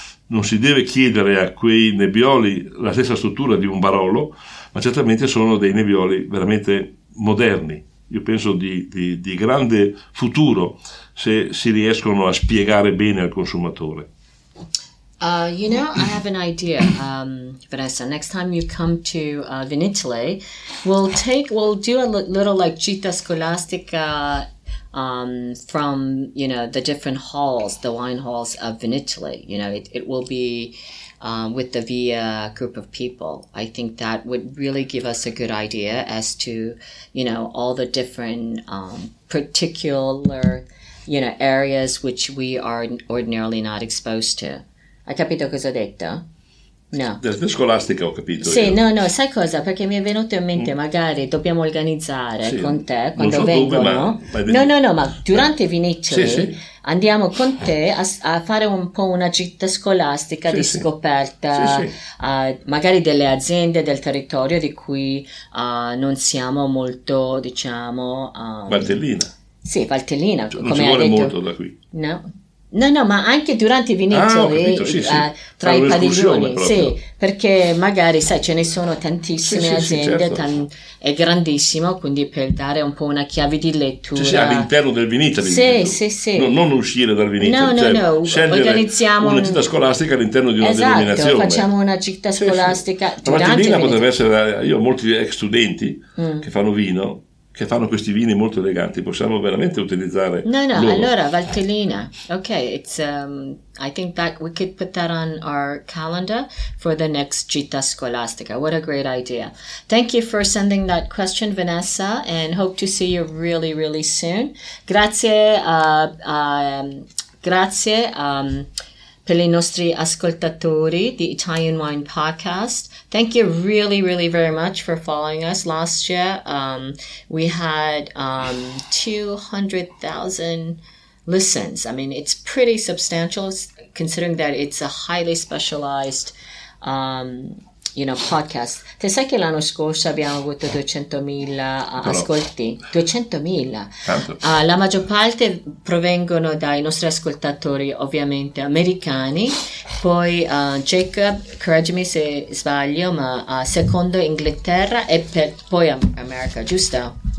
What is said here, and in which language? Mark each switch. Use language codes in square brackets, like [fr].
[it] Non si deve chiedere a quei Nebbioli la stessa struttura di un Barolo, ma certamente sono dei Nebbioli veramente moderni. Io penso di grande futuro se si riescono a spiegare bene al consumatore. [en] You know, I have an idea, Vanessa. Next time you come to Vinitaly, we'll do a little like [it] gita scolastica [en] from, you know, the different halls, the wine halls of Vinitaly. You know, it will be with the Via group of people. I think that would really give us a good idea as to, you know, all the different particular, you know, areas which we are ordinarily not exposed to. [it] Hai capito cosa ho detto? No. Della scolastica ho capito. Sì, io. No, sai cosa? Perché mi è venuto in mente, magari dobbiamo organizzare con te quando vengono. Dove, ma durante i Vinitaly andiamo con te a fare un po' una gita scolastica di scoperta, magari delle aziende del territorio di cui non siamo molto, diciamo. Valtellina. Sì, Valtellina. Non come ci vuole detto. Molto da qui. No. No, ma anche durante i Vinitaly, tra i padiglioni, sì, perché magari, sai, ce ne sono tantissime aziende, certo. È grandissimo, quindi per dare un po' una chiave di lettura. Cioè, all'interno del Vinitaly, non uscire dal Vinitaly, organizziamo una gita scolastica all'interno di una denominazione. Facciamo una gita scolastica durante il Vinitaly. Potrebbe essere, io ho molti ex studenti che fanno vino, che fanno questi vini molto eleganti, possiamo veramente utilizzare loro. [en] Allora Valtellina, okay, it's I think that we could put that on our calendar for the next Gita Scolastica. What a great idea. Thank you for sending that question, Vanessa, and hope to see you really, really soon. [it] Grazie a Grazie per i nostri ascoltatori di Italian Wine Podcast. [en] Thank you really, really very much for following us last year. We had 200,000 listens. I mean, it's pretty substantial considering that it's a highly specialized podcast. [it] Te sai che l'anno scorso abbiamo avuto 200,000 ascolti? 200,000. La maggior parte provengono dai nostri ascoltatori, ovviamente americani. Poi Jacob, correggimi se sbaglio, ma secondo Inghilterra e poi America, giusto?